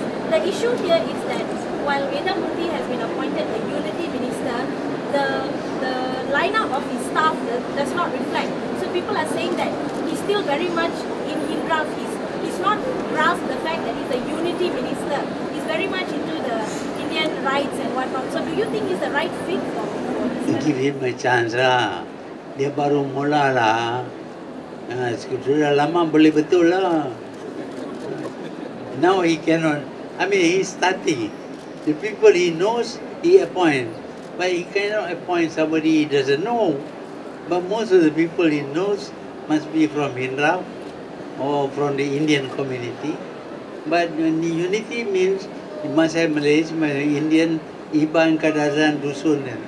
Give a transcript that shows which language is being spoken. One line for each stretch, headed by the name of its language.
English: The issue here is that while Waytha Moorthy has been appointed a unity minister, the lineup of his staff does not reflect. So people are saying that he's still very much in Hindraf. He's not grasped the fact that he's a unity minister. He's very much into the Indian rights and whatnot. So do you think he's the right fit for him? Give him a chance lah.
Malay: Dia baru mula lah. Sudah lama boleh betul lah.
English: Now he cannot. I mean, he's starting. The people he knows, he appoints. But he cannot appoint somebody he doesn't know. But most of the people he knows must be from Hindraf or from the Indian community. But unity means you must have Malaysian, Indian, Iban, Kadazan, Dusun.